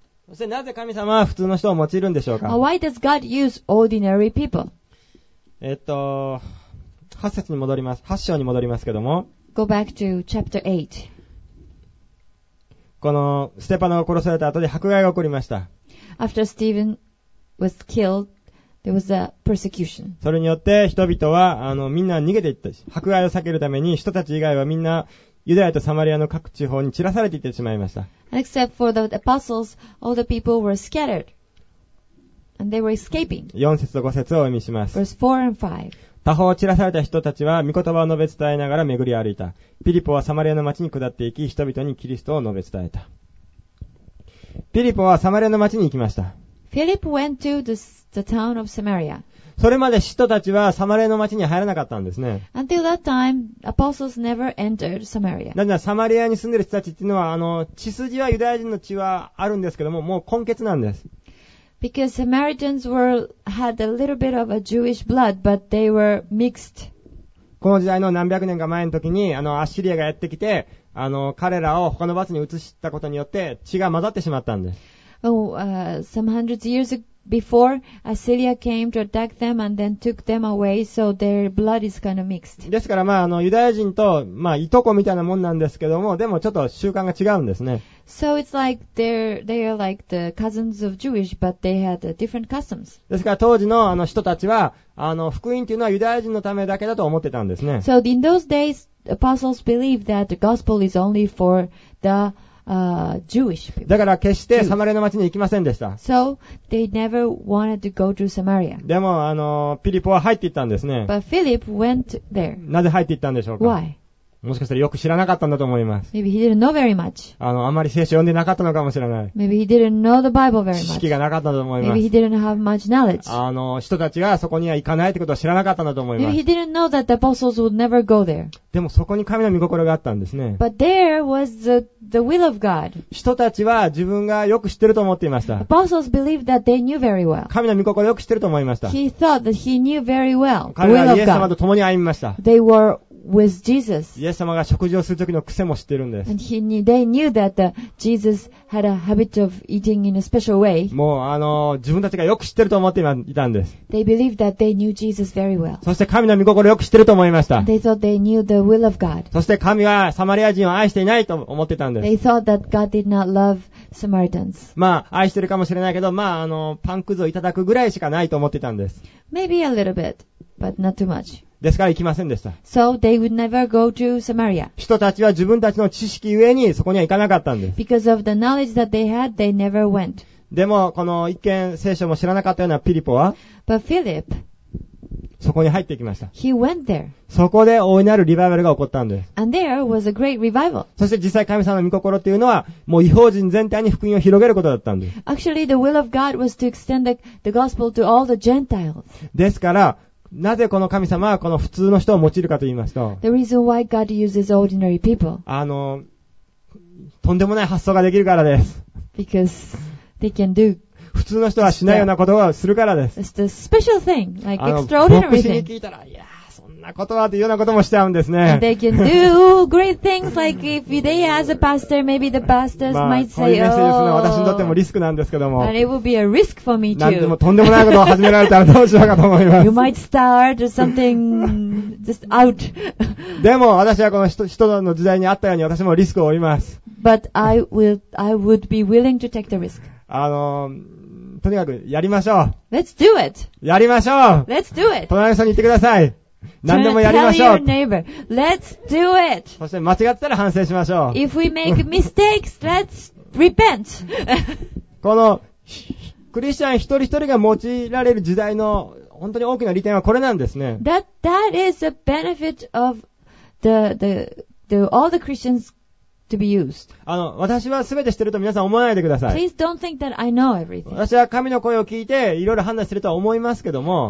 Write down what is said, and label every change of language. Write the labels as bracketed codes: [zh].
[ja] そしてなぜ神様は普通の人を用いるんでしょうか。 [en] Why does God use ordinary people? [ja] 8節に戻ります。8章に戻りますけども。 [en] Go back to chapter 8. [ja] このステパノが殺された後で迫害が起こりました。 [en] After Stephen was killed, there was a persecution. [ja] それによって人々はみんな逃げていったし、迫害を避けるために人たち以外はみんなユダヤとサマリアの各地方に散らされていってしまいました。 [en] Except for the apostles, all the people were scattered. And they were escaping. [ja] 4節と5節をお読みします。 [en] Verse 4 and 5. [ja] 他方散らされた人たちは御言葉を述べ伝えながら巡り歩いた。ピリポはサマリアの町に下っていき、人々にキリストを述べ伝えた。ピリポはサマリアの町に行きました。 [en] Philip went to the town of Samaria. [ja] それまで使徒たちはサマリアの町に入らなかったんですね。 [en] Until that time, apostles never entered Samaria. [ja] なんでサマリアに住んでる人たちっていうのは血筋はユダヤ人の血はあるんですけども、もう根血なんです。 [en] Because Samaritans had a little bit of a Jewish blood, but they were mixed. [ja] この時代の何百年か前の時にアッシリアがやってきて彼らを他の場所に移したことによって血が混ざってしまったんです。 [en] Some hundreds of years agoBefore Assyria came to attack them and then took them away, so their blood is kind of mixed. [ja] ですからユダヤ人といとこみたいなもんなんですけども、でもちょっと習慣が違うんですね。 [en] So it's like they are like the cousins of Jewish, but they had different customs. [ja] ですから当時の人たちは福音というのはユダヤ人のためだけだと思ってたんですね。 [en] So in those days, apostles believed that the gospel is only for the Jewish people. [ja] だから決してサマリアの町に行きませんでした。 [en] So, they never wanted to go to Samaria. [ja] でもピリポは入っていったんですね。 [en] But Philip went there. [ja] なぜ入っていったんでしょうか。 [en] Why? [ja] もしかしたらよく知らなかったんだと思います。 [en] Maybe he didn't know very much. [ja] あまり聖書読んでなかったのかもしれない。 [en] Maybe he didn't know the Bible very much. [ja] 知識がなかったと思います。 [en] Maybe he didn't have much knowledge. [ja] 人たちがそこには行かないってことは知らなかったんだと思います。 [en] Maybe he didn't know that the apostles would never go there. [ja] でもそこに神の御心があったんですね。 [en] But there was the will of God. [ja] 人たちは自分がよく知ってると思っていました。 [en] Apostles believed that they knew very well. [ja] 神の御心をよく知ってると思いました。 [en] He thought that he knew very well. [ja] 彼らはイエス様と共に歩みました。 [en] They were with Jesus. [ja] イエス様が食事をする時の癖も知ってるんです。 [en] And he knew, they knew that the Jesus had a habit of eating in a special way. [ja] もう自分たちがよく知ってると思っていたんです。 [en] They believed that they knew Jesus very well. [ja] そして神の御心をよく知ってると思いました。 [en] They thought they knew the will of God. [ja] そして神はサマリア人を愛していないと思ってたんです。 [en] They thought that God did not love Samaritans. [ja] まあ愛してるかもしれないけど、まあパンくずをいただくぐらいしかないと思ってたんです。 [en] Maybe a little bit, but not too much. [ja] ですから行きませんでした。 [en] So they would never go to Samaria. [ja] 人たちは自分たちの知識ゆえにそこには行かなかったんです。 [en] Because of the knowledge that they had, they never went. [ja] でもこの一見聖書も知らなかったようなピリポは、 [en] But Philip, [ja] そこに入ってきました。 [en] He went there. [ja] そこで大いなるリバイバルが起こったんです。 [en] And there was a great revival. [ja] そして実際神様の御心っていうのは、もう異邦人全体に福音を広げることだったんです。 [en] Actually, the will of God was to extend the gospel to all the Gentiles. [ja] ですから、なぜこの神様はこの普通の人を用いるかと言いますと、 [en] The reason why God uses ordinary people. [ja] とんでもない発想ができるからです。 [en] Because they can do. [ja] 普通の人はしないようなことをするからです。 [en] It's a special thing, like extraordinary thing. 牧 [ja] 師に聞いたら、いやーそんなことはというようなこともしちゃうんですね。 [en] And they can do great things, like if they as a pastor, maybe the pastors might say, [ja] まあ、そういうメッセージするのは私にとってもリスクなんですけども。 [en] And it will be a risk for me too. [ja] なんでもとんでもないことを始められたらどうしようかと思います。 [en] You might start something just out. [ja] でも私はこの人の時代にあったように私もリスクを負います。 [en] But I would be willing to take the risk. [ja] とにかくやりましょう。 [en] Let's do it. [ja] やりましょう。 [en] Let's do it. [ja] 隣の人に言ってください。何でもやりましょう。 [en] Tell your neighbor. Let's do it. [ja] そして間違ったら反省しましょう。 [en] If we make mistakes, let's repent. [ja] このクリスチャン一人一人が用いられる時代の本当に大きな利点はこれなんですね。 [en] That is the benefit of the all the Christians. To be used. [ja] 私はすべて知ってると皆さん思わないでください。 [en] Please don't think that I know everything. [ja] 私は神の声を聞いていろいろ判断するとは思いますけども。